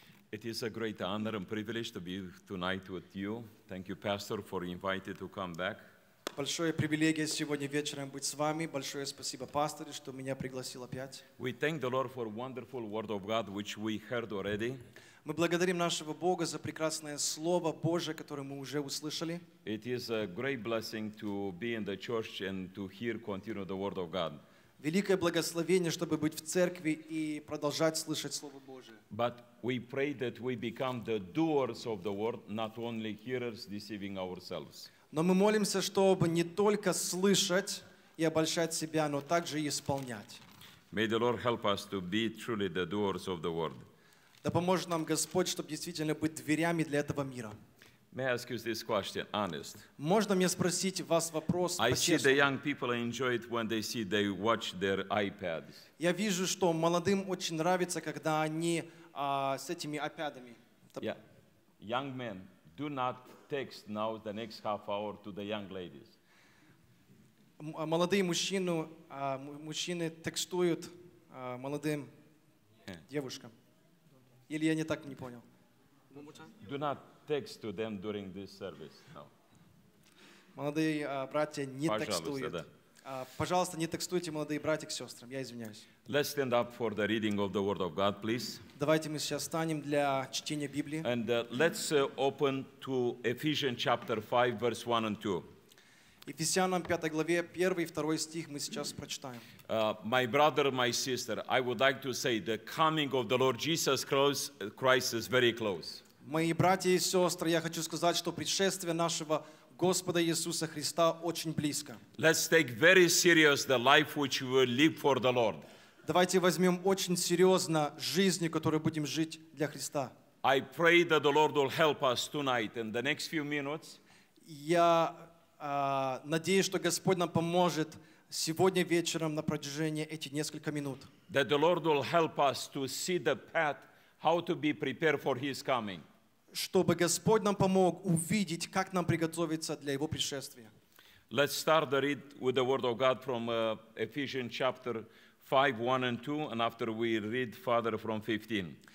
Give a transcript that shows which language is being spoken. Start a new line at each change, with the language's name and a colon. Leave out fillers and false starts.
English: It is a great honor and privilege to be tonight with you. Thank you, Pastor, for inviting to come back.
Russian: Большое привилегия сегодня вечером быть с вами. Большое спасибо, пастор, что меня пригласил опять.
English: We thank the Lord for wonderful word of God which we heard already.
Russian: Мы благодарим нашего Бога за прекрасное Слово Божие, которое мы уже услышали.
English: It is a great blessing to be in the church and to hear continue the Word of God.
Russian: Великое благословение, чтобы быть в церкви и продолжать слышать Слово Божие.
English: But we pray that we become the doers of the Word, not only hearers deceiving ourselves.
Russian: Но мы молимся, чтобы не только слышать и обольщать себя, но также и исполнять.
English: May the Lord help us to be truly the doers of the Word.
Russian: Да поможет нам Господь, чтобы действительно быть дверями для этого мира.
English: May I ask you this question, honest?
Russian: Можно мне спросить вас вопрос?
English: I see the young people enjoy it when they see they watch their iPads.
Russian: Я вижу, что молодым очень нравится, когда они с этими iPadами.
English: Yeah. Young men, do not text now the next half hour to the young ladies.
Russian: Молодые мужчины текстуют молодым девушкам. Или я не так не понял.
English: Do not text to them during this service. No.
Russian: Молодые братья не Пожалуйста, текстуют. Да. Пожалуйста, не текстуйте, молодые братья к сестрам. Я извиняюсь.
English: Let's stand up for the reading of the Word of God, please.
Russian: Давайте мы сейчас встанем для чтения Библии.
English: And let's open to Ephesians chapter 5, verse 1 and 2.
Russian: Ефесянам 5 главе 1 и 2 стих мы сейчас прочитаем.
English: My brother, my sister, I would like to say the coming of the Lord Jesus Christ is very close.
Russian: Мои братья и сестры, я хочу сказать, что пришествие нашего Господа Иисуса Христа очень близко.
English: Let's take very serious the life which we live for the Lord.
Russian: Давайте возьмем очень серьезно жизнь, которую будем жить для Христа.
English: I pray that the Lord will help us tonight in the next few minutes.
Russian: Я надеюсь, что Господь нам поможет сегодня вечером на протяжении этих нескольких минут.
English: That the Lord will help us to see the path how to be prepared for His coming.
Russian: Чтобы Господь нам помог увидеть, как нам приготовиться для Его пришествия.
English: Let's start the read with the Word of God from Ephesians chapter 5, 1 and 2, and after we read further from 15.